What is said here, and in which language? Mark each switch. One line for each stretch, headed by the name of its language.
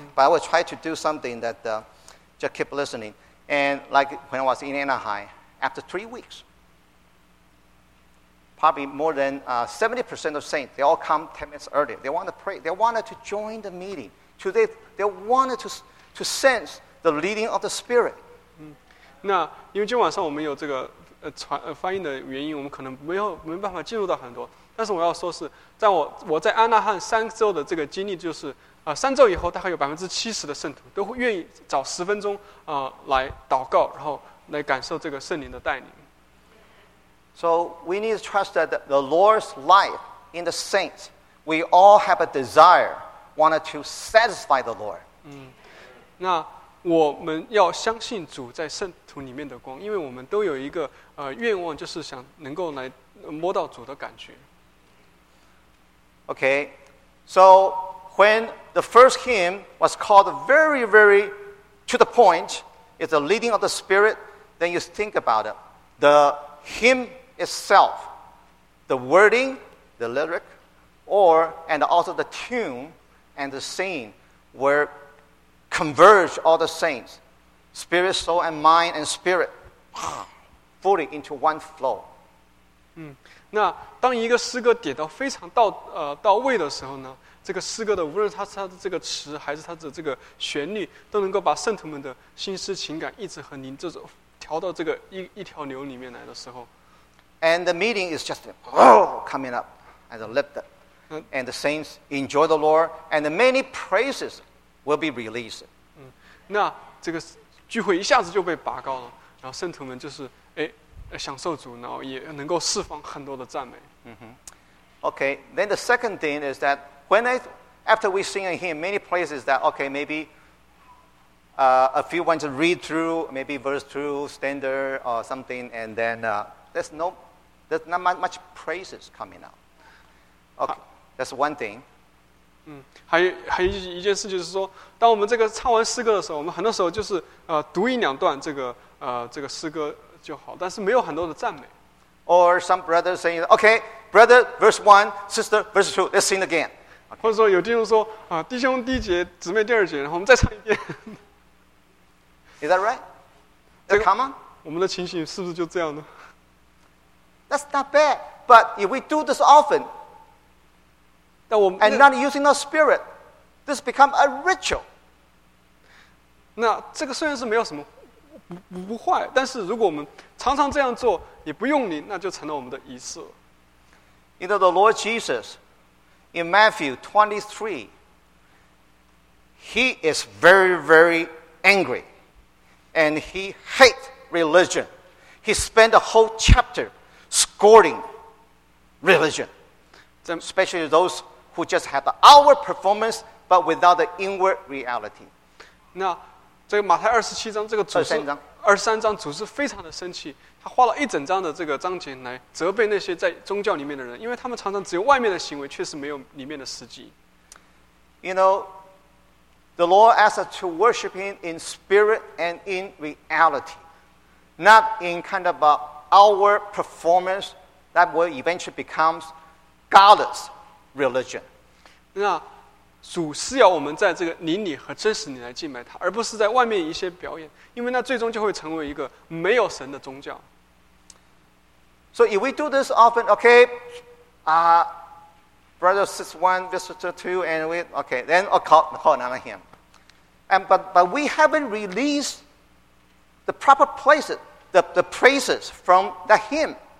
English: But I will try to do something that just keep listening. And like when I was in Anaheim, after 3 weeks, probably more than 70% of saints they all come 10 minutes early. They want to pray. They wanted to join the meeting Today, they wanted to sense the leading of the Spirit.
Chinese: 那因为今晚上我们有这个翻译的原因，我们可能没办法进入到很多。但是我要说是，在我在安纳汉三周的这个经历，就是三周以后，大概有70%的圣徒都会愿意找10分钟来祷告，然后来感受这个圣灵的带领。
English: So we need to trust that the Lord's life in the saints, we all have a desire, wanted to satisfy the Lord.
Chinese: 那我们要相信主在圣徒里面的光，因为我们都有一个愿望，就是想能够来摸到主的感觉。
English: Okay, so when the first hymn was called very, very to the point, it's the leading of the Spirit, then you think about it. The hymn itself, the wording, the lyric, and also the tune and the singing were converged all the saints, spirit, soul, and mind, and spirit, fully into one flow.
Chinese: 那当一个诗歌点到非常到位的时候呢，这个诗歌的无论它是它的这个词还是它的这个旋律，都能够把圣徒们的心思情感意志和灵这种调到这个一条流里面来的时候。
English: And the meeting is just coming up at the lifted. And the saints enjoy the Lord and the many praises will be released.
Chinese: 那这个聚会一下子就被拔高了，然后圣徒们就是享受主，然后也能够释放很多的赞美。
English: Okay, then the second thing is that after we sing a hymn, many places that, okay, maybe a few ones to read through, maybe verse through, standard or something, and then there's not much praises coming out. Okay, that's one thing.
Chinese: 还有一件事就是说，当我们这个唱完诗歌的时候，我们很多时候就是读一两段这个诗歌就好，但是没有很多的赞美。
English: Or some brothers saying, "Okay, brother, verse one, sister, verse two, let's sing again." Okay.
Chinese: 或者说有弟兄说啊，弟兄第一节，姊妹第二节，然后我们再唱一遍。
English: Is that right? That common?
Chinese: 我们的情形是不是就这样呢
English: ？That's not bad, but if we do this often, and not using our spirit, this become a ritual.
Chinese: 那这个虽然是没有什么。不坏，但是如果我们常常这样做，也不用灵，那就成了我们的仪式了。
English: You know, the Lord Jesus, in Matthew 23, he is very, very angry, and he hates religion. He spent a whole chapter scolding religion, especially those who just have the outward performance, but without the inward reality.
Chinese: 那这个马太27章，这个主是23章，主是非常的生气，他花了一整章的这个章节来责备那些在宗教里面的人，因为他们常常只有外面的行为，确实没有里面的实际。
English: You know, the Lord asks us to worship Him in spirit and in reality, not in kind of our performance that will eventually becomes godless religion.
Chinese: 那主是要我们在这个灵里和真实里来敬拜他，而不是在外面一些表演，因为那最终就会成为一个没有神的宗教。
English: So if we do this often, okay, brother says one, visitor two, and we, okay, then call another hymn. And but we haven't released the proper places, the praises from that hymn.